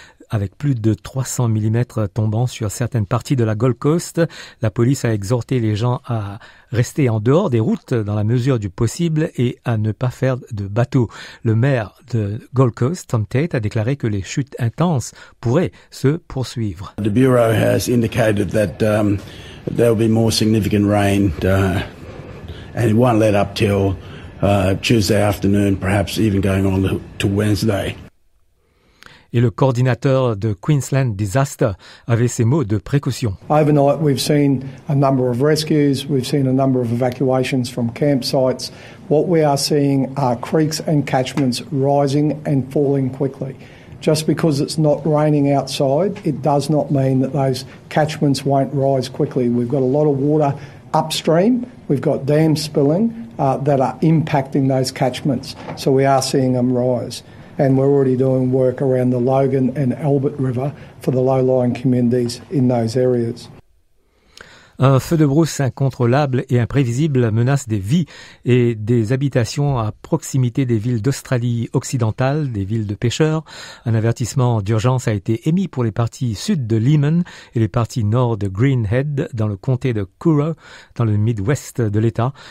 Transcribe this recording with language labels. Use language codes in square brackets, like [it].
[fr] Avec plus de 300 mm tombant sur certaines parties de la Gold Coast, la police a exhorté les gens à rester en dehors des routes dans la mesure du possible et à ne pas faire de bateau. Le maire de Gold Coast, Tom Tate, a déclaré que les chutes intenses pourraient se poursuivre. [en] The bureau has indicated that there will be more significant rain and it won't let up till Tuesday afternoon, perhaps even going on to Wednesday. [fr] Et le coordinateur de Queensland Disaster avait ces mots de précaution. [en] Overnight, we've seen a number of rescues, we've seen a number of evacuations from campsites. What we are seeing are creeks and catchments rising and falling quickly. Just because it's not raining outside, it does not mean that those catchments won't rise quickly. We've got a lot of water upstream, we've got dams spilling that are impacting those catchments. So we are seeing them rise. And we're already doing work around the Logan and Albert River for the low-lying communities in those areas. [fr] Un feu de brousse incontrôlable et imprévisible menace des vies et des habitations à proximité des villes d'Australie occidentale, des villes de pêcheurs. Un avertissement d'urgence a été émis pour les parties sud de Leeman et les parties nord de Greenhead dans le comté de Coorong, dans le mid-ouest de l'État.